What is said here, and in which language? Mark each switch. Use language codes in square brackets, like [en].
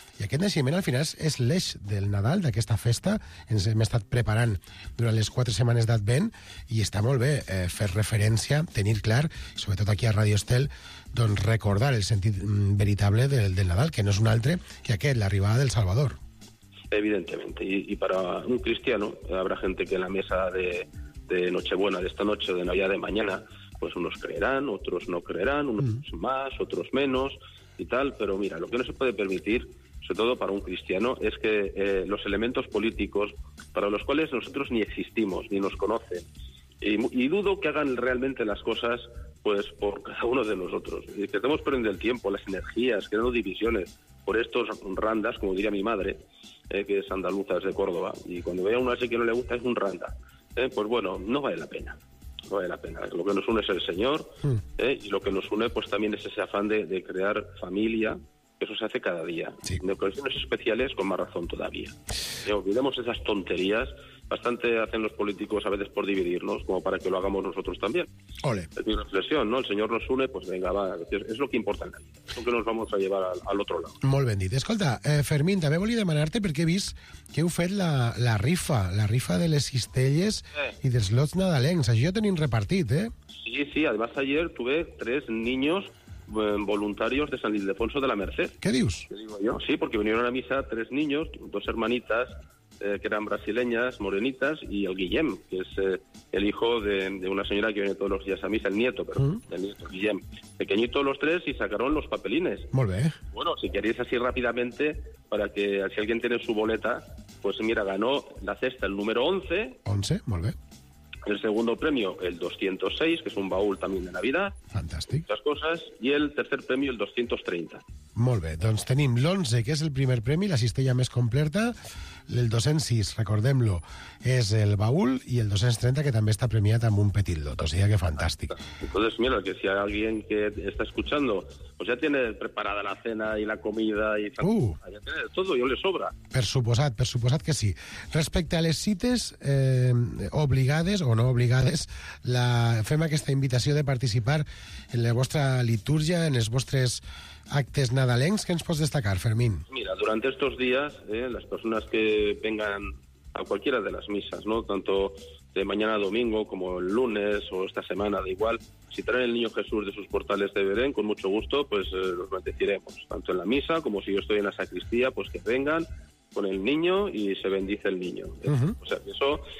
[ca] I aquest naixement al final és l'eix del Nadal, d'aquesta festa. Ens hem estat preparant durant les 4 setmanes d'Advent i està molt bé fer referència, tenir clar, sobretot aquí a Ràdio Estel, doncs recordar el sentit veritable del Nadal, que no és un altre que aquest, l'arribada del Salvador. [es] Evidentemente, y para un cristiano, habrá gente que en la mesa de Nochebuena de esta noche o de Navidad de mañana, pues unos creerán, otros no creerán, unos más, otros menos y tal, pero mira, lo que no se puede permitir, sobre todo para un cristiano, es que los elementos políticos para los cuales nosotros ni existimos, ni nos conocen, y dudo que hagan realmente las cosas pues por cada uno de nosotros, y que estemos perdiendo el tiempo, las energías, creando divisiones por estos randas, como diría mi madre, que es andaluza, es de Córdoba, y cuando vea a uno así que no le gusta, es un randa. Pues bueno, no vale la pena, no vale la pena. Lo que nos une es el Señor, y lo que nos une pues también es ese afán de crear familia, que eso se hace cada día. Sí. De ocasiones especiales, con más razón todavía. Olvidemos esas tonterías, bastante hacen los políticos a veces por dividirnos, como para que lo hagamos nosotros también. Ole. Es mi reflexión, ¿no? El Señor nos une, pues venga, va, es lo que importa. Lo que nos vamos a llevar al otro lado. [ca] Molt ben dit. Escolta, Fermín, també volia demanar-te perquè he vist que heu fet la rifa de les cistelles i dels lots nadalencs. Això ja tenim repartit, [es] Sí, sí, además ayer tuve 3 niños voluntarios de San Ildefonso de la Merced. [ca] ¿Qué dius? [es] ¿Qué digo yo? Sí, porque vinieron a misa 3 niños, 2 hermanitas, que eran brasileñas, morenitas, y el Guillem, que es el hijo de una señora que viene todos los días a misa, el nieto, Guillem. Pequeñito los 3 y sacaron los papelines. Muy bien. Bueno, si queréis así rápidamente, para que si alguien tiene su boleta, pues mira, ganó la cesta el número 11. Muy bien. El segundo premio, el 206, que es un baúl también de Navidad. [ca] Fantàstic. [es] Muchas cosas. Y el tercer premio, el 230. [ca] Molt bé. Doncs tenim l'11, que és el primer premi, la cistella més completa. El 206, recordem-lo, és el baúl. I el 230, que també està premiat amb un petit lot. O sigui que fantàstic. [es] Entonces, mira, que si hay alguien que está escuchando, pues ya tiene preparada la cena y la comida. Y... Ya tiene todo, yo le sobra. [ca] Per suposat que sí. Respecte a les cites obligades o no obligades, fem aquesta invitació de participar en la vostra litúrgia, en els vostres actes nadalencs. Què ens pots destacar, Fermín? [es] Mira, durante estos días, las personas que vengan a cualquiera de las misas, ¿no?, tanto de mañana a domingo como el lunes o esta semana, da igual, si traen el Niño Jesús de sus portales de Belén, con mucho gusto, pues los bendeciremos, tanto en la misa como si yo estoy en la sacristía, pues que vengan con el niño y se bendice el niño. Uh-huh. O sea, eso.